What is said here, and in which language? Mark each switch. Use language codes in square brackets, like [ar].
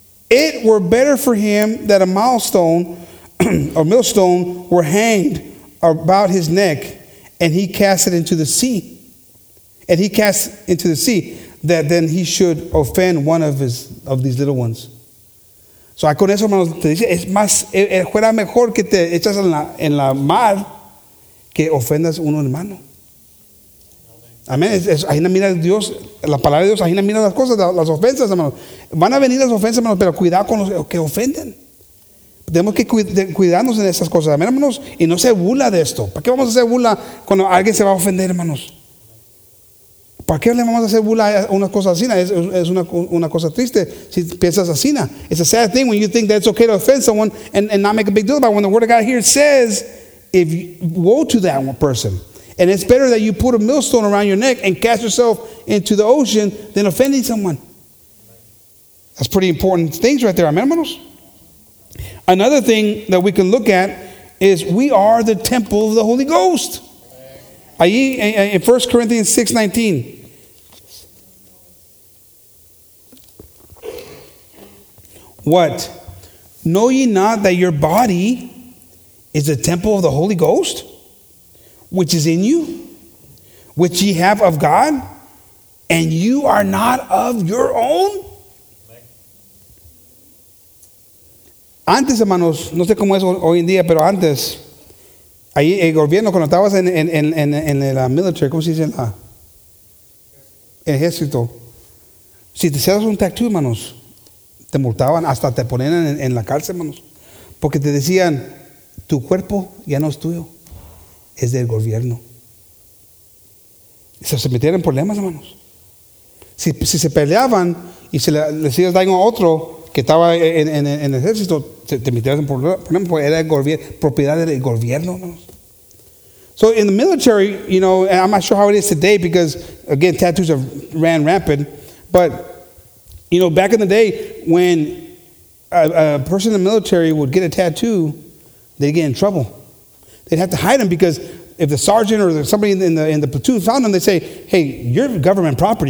[en] It were better for him that a millstone or millstone were hanged about his neck and he cast it into the sea. And he cast into the sea that then he should offend one of his of these little ones. [es] So con eso, hermanos, te dice, es más, fuera mejor que te echas en la mar que ofendas uno hermano. Amén. Ahí no mira Dios, la palabra de Dios, ahí no mira las cosas, las ofensas, hermanos. Van a venir las ofensas, hermanos, pero cuidado con los que ofenden. Tenemos que cuidarnos en esas cosas. Amén, hermanos. Y no se burla de esto. ¿Para qué vamos a hacer burla cuando alguien se va a ofender, hermanos? ¿Para qué le vamos a hacer burla a una cosa así? Es una cosa triste si piensas así. [en] It's a sad thing when you think that it's okay to offend someone and not make a big deal about it. When the word of God here says, if woe to that one person. And it's better that you put a millstone around your neck and cast yourself into the ocean than offending someone. That's pretty important things right there. Amen, hermanos? Another thing that we can look at is we are the temple of the Holy Ghost. Ahí in 1 Corinthians 6:19. What? Know ye not that your body is the temple of the Holy Ghost? Which is in you, which ye have of God, and you are not of your own? [es] Antes, hermanos, no sé cómo es hoy en día, pero antes, ahí el gobierno, cuando estabas en el military, ¿cómo se dice? El ejército. Si te hacías un tattoo, hermanos, te multaban, hasta te ponían en la cárcel, hermanos, porque te decían, tu cuerpo ya no es tuyo. Es del gobierno. Se metieron en problemas, hermanos. Si se peleaban y se le hacía daño a otro que estaba en el ejército, te metieron en problemas porque era propiedad del gobierno, hermanos. [en] So in the military, you know, and I'm not sure how it is today because, again, tattoos have ran rampant. But, you know, back in the day when a person in the military would get a tattoo, they'd get in trouble. They'd have to hide them because if the sergeant or somebody in the platoon found them, they'd say, hey, you're government property.